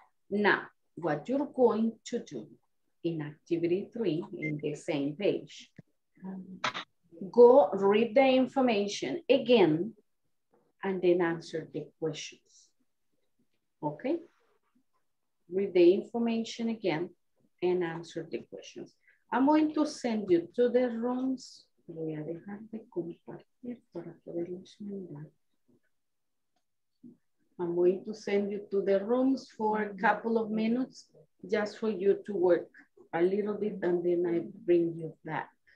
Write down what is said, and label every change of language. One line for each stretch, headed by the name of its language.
English: Now, what you're going to do in activity three, in the same page, go read the information again and then answer the questions, okay? Read the information again and answer the questions. I'm going to send you to the rooms.
Spanish: Voy a dejar de compartir para poderlos mandar.
English: I'm going to send you to the rooms for a couple of minutes just for you to work a little bit and then I bring you back.